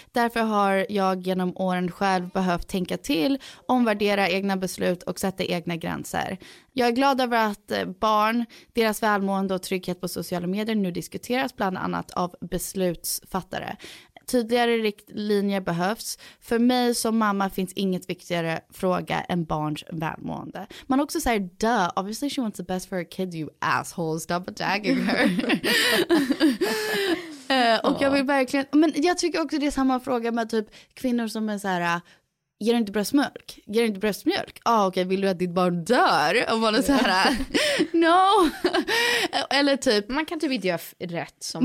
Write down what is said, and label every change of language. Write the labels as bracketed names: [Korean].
[Swedish] Därför har jag genom åren själv behövt tänka till, omvärdera egna beslut och sätta egna gränser. Jag är glad över att barn, deras välmående och trygghet på sociala medier nu diskuteras bland annat av beslutsfattare. Tydligare riktlinjer behövs. För mig som mamma finns inget viktigare fråga än barns välmående. [English] Man också säger, duh, obviously she wants the best for her kid, you asshole, stop attacking her. [Swedish] och jag vill verkligen, men jag tycker också det är samma fråga med typ kvinnor som är så här, ger du inte bröstmjölk? Ger du inte bröstmjölk? Ah, okej, vill du att ditt barn dör? Om man är så här, no! Eller typ... Man kan typ inte göra rätt som